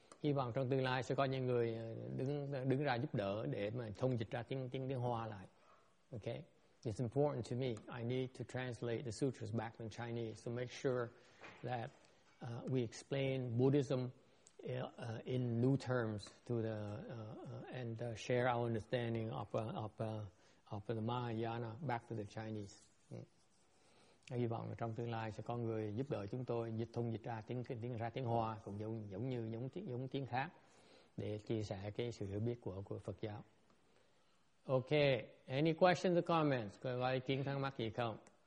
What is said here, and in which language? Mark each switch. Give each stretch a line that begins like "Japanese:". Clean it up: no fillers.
Vietnamese: Hy vọng trong tương lai sẽ có những người đứng ra giúp đỡ để mà thông dịch ra tiếng Hoa lại.
English: Okay. It's important to me. I need to translate the sutras back in Chinese to make sure that we explain Buddhism in new terms to the and share our understanding of the Mahayana back to the Chinese.
Vietnamese: Hy vọng trong tương lai sẽ có người giúp đỡ chúng tôi dịch thông dịch ra tiếng Hoa cũng giống như tiếng khác để chia sẻ cái sự hiểu biết của Phật giáo.
English: Okay, any questions or comments?
Vietnamese: Có ai kiến thắc mắc gì không?